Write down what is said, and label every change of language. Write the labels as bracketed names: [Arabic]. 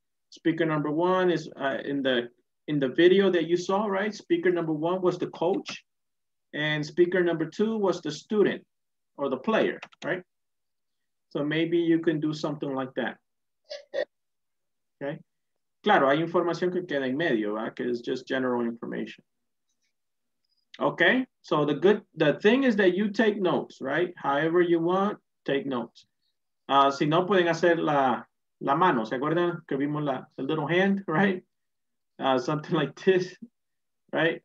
[English] Speaker number one is in the video that you saw, right? Speaker number one was the coach and speaker number two was the student or the player, right? So maybe you can do something like that, okay? [Spanish] Claro, hay información que queda en medio, ¿verdad? Que es [English] just general information. Okay, so the thing is that you take notes, right? However you want, take notes. [Spanish] Si no, pueden hacer la mano, ¿se acuerdan que vimos [English] the little hand, right? Something like this, right?